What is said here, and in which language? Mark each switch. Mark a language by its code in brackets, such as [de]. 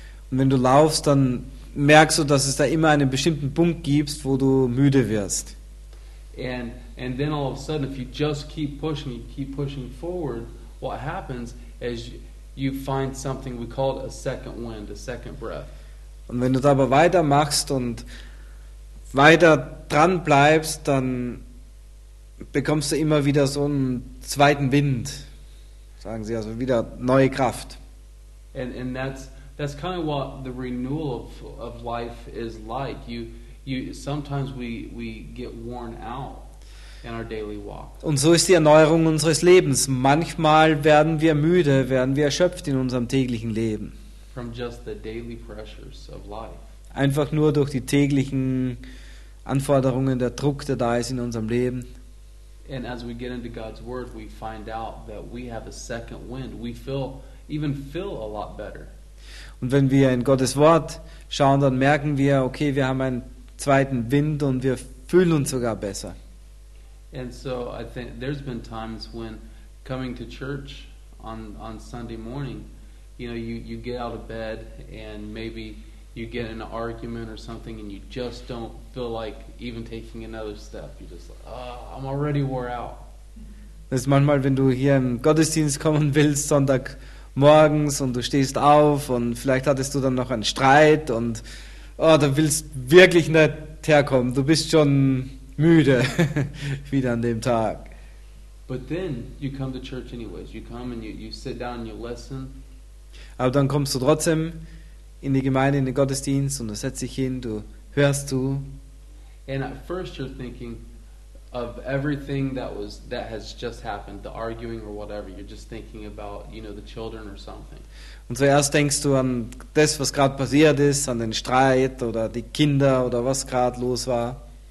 [de] Und wenn du laufst, dann merkst du, dass es da immer einen bestimmten Punkt gibt, wo du müde wirst. [en] And then all of a sudden, if you just keep pushing forward, what happens is you find something we call it a second wind, a second breath. [de] Und wenn du da aber weitermachst und weiter dran bleibst, dann bekommst du immer wieder so einen zweiten Wind, sagen sie, also wieder neue Kraft. [en] And that's kind of what the renewal of life is like. You sometimes we get worn out in our daily walk. [de] Und so ist die Erneuerung unseres Lebens. Manchmal werden wir müde, werden wir erschöpft in unserem täglichen Leben. [en] From just the daily pressures of life. [de] Einfach nur durch die täglichen Anforderungen, der Druck, der da ist in unserem Leben. [en] And as we get into God's word, we find out that we have a second wind. We feel a lot better. [de] Und wenn wir in Gottes Wort schauen, dann merken wir, okay, wir haben einen zweiten Wind und wir fühlen uns sogar besser. [en] And so I think there's been times when coming to church on Sunday morning, you know, you get out of bed and maybe you get in an argument or something and you just don't feel like even taking another step. You're just like, oh, I'm already wore out. [de] Das ist manchmal, wenn du hier im Gottesdienst kommen willst, Sonntag morgens, und du stehst auf und vielleicht hattest du dann noch einen Streit und du willst wirklich nicht herkommen. Du bist schon müde wieder an dem Tag. [en] But then you come to church anyways. You come and you sit down and you listen. [de] Aber dann kommst du trotzdem in die Gemeinde, in den Gottesdienst, und du setzt dich hin, du hörst zu. [en] And at first you're thinking of everything that has just happened, the arguing or whatever. You're just thinking about, you know, the children or something. [de] Und zuerst denkst du an das, was gerade passiert ist, an den Streit oder die Kinder oder was gerade los war.